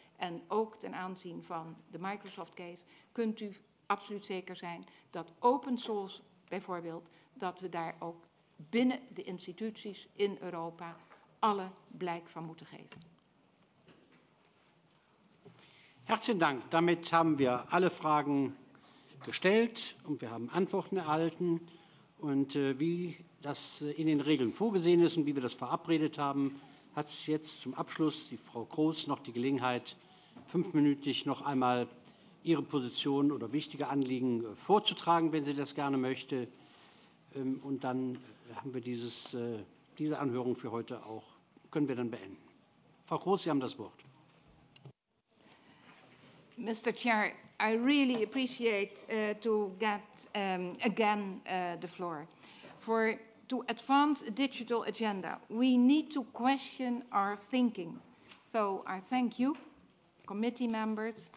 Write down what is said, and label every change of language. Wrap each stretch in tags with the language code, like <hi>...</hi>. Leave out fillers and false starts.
<nl>En ook ten aanzien van de Microsoft case kunt u absoluut zeker zijn dat open source bijvoorbeeld, dat we daar ook binnen de instituties in Europa alle blijk van moeten geven.</nl> <de>Herzlichen Dank. Damit haben wir alle Fragen gestellt und wir haben Antworten erhalten. Und wie das in den Regeln vorgesehen ist und wie wir das verabredet haben, hat jetzt zum Abschluss die Frau Groß noch die Gelegenheit, fünfminütig noch einmal ihre Position oder wichtige Anliegen vorzutragen, wenn sie das gerne möchte. Und dann haben wir diese Anhörung für heute auch, können wir dann beenden. Frau Groß, Sie haben das Wort.</de> <en>Mr. Chair, I really appreciate to get again the floor. For to advance a digital agenda, we need to question our thinking. So I thank you, committee members.</en>